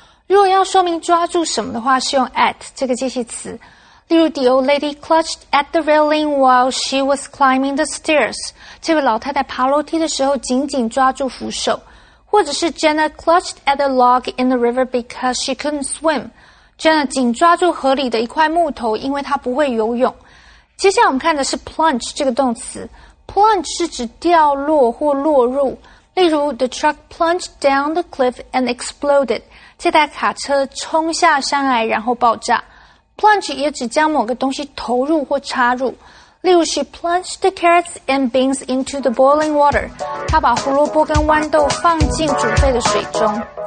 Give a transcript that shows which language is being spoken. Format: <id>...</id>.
<zh>如果要说明抓住什么的话，是用 at 这个介系词。例如</zh> <en>,the old lady clutched at the railing while she was climbing the stairs.</en> <zh>这位老太太爬楼梯的时候紧紧抓住扶手。或者是</zh> <en>Jenna clutched at a log in the river because she couldn't swim.</en> <zh>Jenna 紧抓住河里的一块木头因为她不会游泳。接下来我们看的是 plunge 这个动词。Plunge 是指掉落或落入。例如</zh> <en>the truck plunged down the cliff and exploded.</en> <zh>这台卡车冲下山崖然后爆炸。 Plunge 也指将某个东西投入或插入。例如</zh> <en>she plunged the carrots and beans into the boiling water.</en> <zh>她把胡萝卜跟豌豆放进煮沸的水中。</zh>